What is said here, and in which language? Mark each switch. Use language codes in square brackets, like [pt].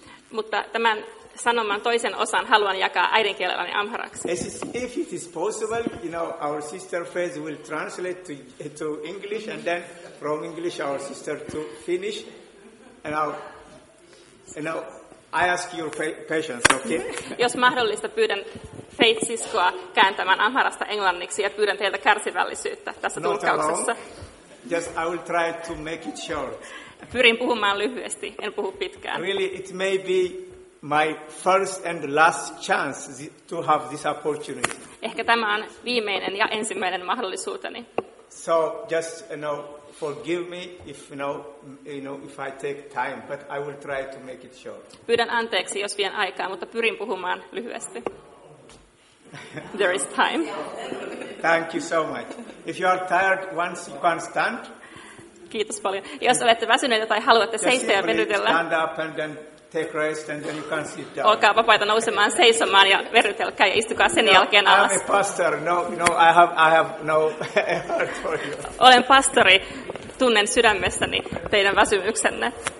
[fi] Mutta tämän sanoman toisen osan haluan jakaa äidinkielelläni amharaksi. [en] As is, if it is possible, you know, our sister Faith will translate to English, and then from English our sister to Finnish, and now I ask your patience, okay? [fi] Jos mahdollista, pyydän Faith-siskoa kääntämään amharasta englanniksi ja pyydän teiltä kärsivällisyyttä tässä tulkauksessa. [en] Just I will try to make it short. [fi] Pyrin puhumaan lyhyesti, en puhu pitkään. [en] Really, it may be my first and last chance to have this opportunity. [fi] Ehkä tämä on viimeinen ja ensimmäinen mahdollisuuteni. [en] So just, you know, forgive me if, you know, if I take time, but I will try to make it short. [fi] Pyydän anteeksi, jos vien aikaa, mutta pyrin puhumaan lyhyesti. [en] There is time. Thank you so much. If you are tired, once you can stand. [fi] Kiitos paljon. Jos olette väsyneitä tai haluatte seistä ja venytellä. [en] Stand up and then take rest and then you can sit down. [fi] Olkaa vapaita nousemaan seisomaan ja verrytelkää ja istukaa sen jälkeen alas. [en] I'm a pastor. No, I have no heart for you. [fi] Olen pastori. Tunnen sydämessäni teidän väsymyksenne.